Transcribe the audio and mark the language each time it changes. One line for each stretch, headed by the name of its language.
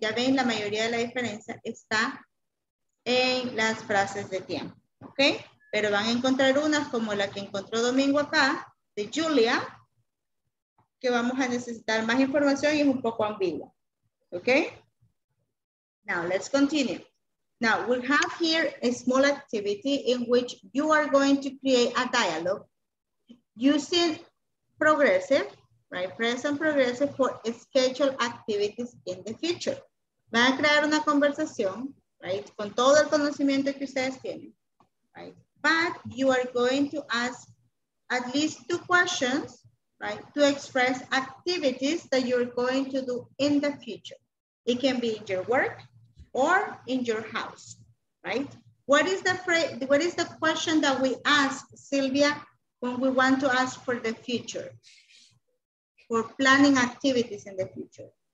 Spanish: Ya ven, la mayoría de la diferencia está en las frases de tiempo. Okay? Pero van a encontrar unas como la que encontró Domingo acá, de Julia, que vamos a necesitar más información y es un poco ambigua.
English: Okay? Now, let's continue. Now, we have here a small activity in which you are going to create a dialogue using progressive, right? Present progressive for scheduled activities in the future.
Spanish: Van a crear una conversación,
English: right?
Spanish: Con todo el conocimiento que ustedes tienen,
English: right? But you are going to ask at least 2 questions, right? To express activities that you're going to do in the future, It can be in your work or in your house, right? What is the phrase, what is the question that we ask, Sylvia, when we want to ask for the future, for planning activities in the future?